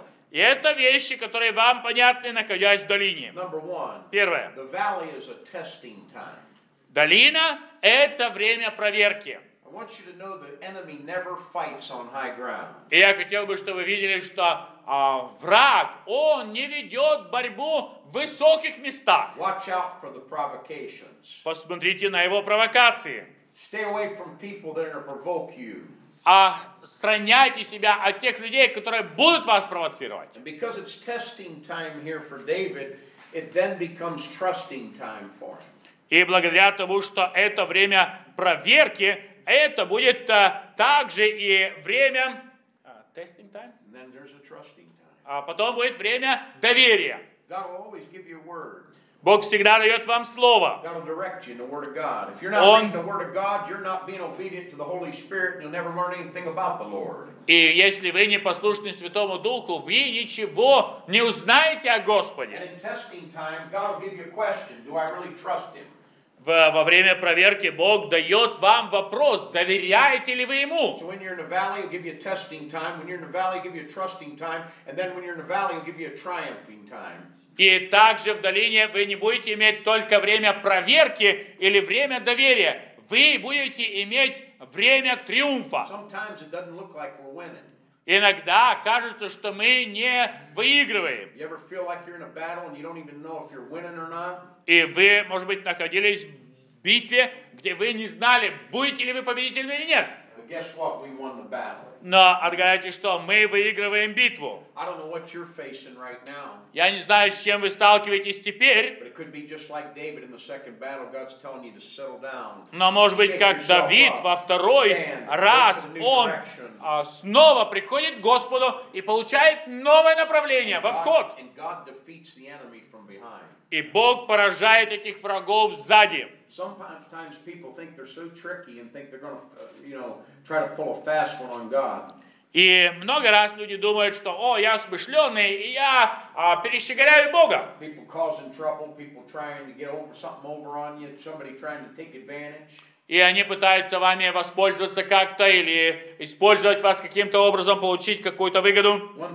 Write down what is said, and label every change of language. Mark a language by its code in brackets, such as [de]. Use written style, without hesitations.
[ru] И это вещи, которые вам понятны, находясь в долине. Первое. [en] The valley is a testing time. [ru] Долина – это время проверки. [en] I want you to know the enemy never fights on high ground. [ru] И я хотел бы, чтобы вы видели, что враг, он не ведет борьбу в высоких местах. [en] Watch out for the provocations. [ru] Посмотрите на его провокации. [en] Stay away from people that are going to provoke you. [ru] Отстраняйте себя от тех людей, которые будут вас провоцировать. [en] And because it's testing time here for David, it then becomes trusting time for him. [ru] И благодаря тому, что это время проверки, это будет также и время... [en] Testing time? And then there's a trusting time. [ru] А потом будет время доверия. [en] God will always give you a word. [ru] Бог всегда дает вам слово. [en] God will direct you in the word of God. If you're not reading the word of God, you're not being obedient to the Holy Spirit, and you'll never learn anything about the Lord. [ru] И если вы не послушны Святому Духу, вы ничего не узнаете о Господе. [en] And in testing time, God will give you a question: Do I really trust Him? [ru] Во время проверки Бог дает вам вопрос, доверяете ли вы Ему. [en] So when you're in the valley, He'll give you a testing time. When you're in the valley, He'll give you a trusting time. And then when you're in the valley, He'll give you a triumphing time. [ru] И также в долине вы не будете иметь только время проверки или время доверия. Вы будете иметь время триумфа. [en] Sometimes it doesn't look like we're winning. [ru] Иногда кажется, что мы не выигрываем. [en] You ever feel like you're in a battle and you don't even know if you're winning or not? [ru] И вы, может быть, находились в битве, где вы не знали, будете ли вы победителем или нет. [en] Guess what? We won the battle. [ru] Но отгадайте, что мы выигрываем битву. [en] I don't know what you're facing right now. [ru] Я не знаю, с чем вы сталкиваетесь теперь. [en] But it could be just like David in the second battle. God's telling you to settle down. [ru] Но может быть, как Давид во второй раз, он снова приходит к Господу и получает новое направление, в обход. [en] And God defeats the enemy from behind. [ru] И Бог поражает этих врагов сзади. [en] Sometimes people think they're so tricky and think they're going to, you know, try to pull a fast one on God. [ru] И много раз люди думают, что, о, я смышленый, и я перещеголяю Бога. [en] People causing trouble, people trying to get over something over on you, somebody trying to take advantage. [ru] И они пытаются вами воспользоваться как-то или использовать вас каким-то образом, получить какую-то выгоду.